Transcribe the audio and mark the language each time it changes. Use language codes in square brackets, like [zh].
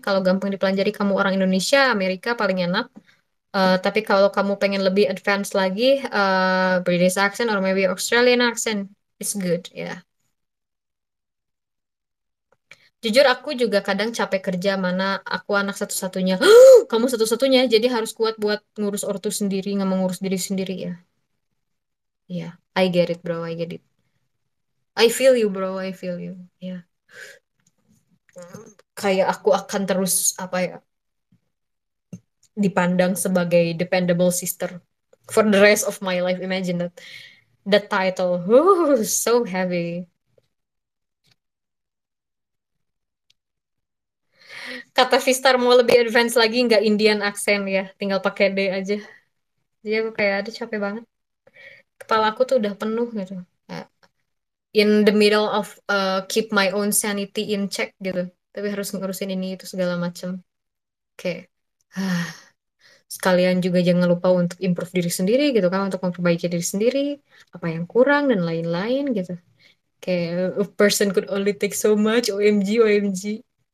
[id] Kalau gampang dipelajari, kamu orang Indonesia, Amerika paling enak. Tapi kalau kamu pengen lebih advance lagi, [en] British accent or maybe Australian accent, it's good, [id] ya. Yeah. Jujur aku juga kadang capek kerja, mana aku anak satu-satunya. Kamu satu-satunya, jadi harus kuat buat ngurus ortu sendiri, nggak mengurus diri sendiri ya. [en] Iya, yeah, I get it bro, I get it. I feel you bro, I feel you. Iya. [id] Kayak aku akan terus apa ya, dipandang sebagai [en] dependable sister for the rest of my life. Imagine that. The title, so heavy. [id] Kata Vistar mau lebih advance lagi, nggak Indian aksen ya, tinggal pakai D aja. Jadi aku kayak ada capek banget. Kepala aku tuh udah penuh gitu. [en] In the middle of keep my own sanity in check gitu. [id] Tapi harus ngurusin ini itu segala macam. Oke. Sekalian juga jangan lupa untuk improve diri sendiri gitu kan, untuk memperbaiki diri sendiri, apa yang kurang dan lain-lain gitu. Kayak [en] a person could only take so much, OMG, OMG.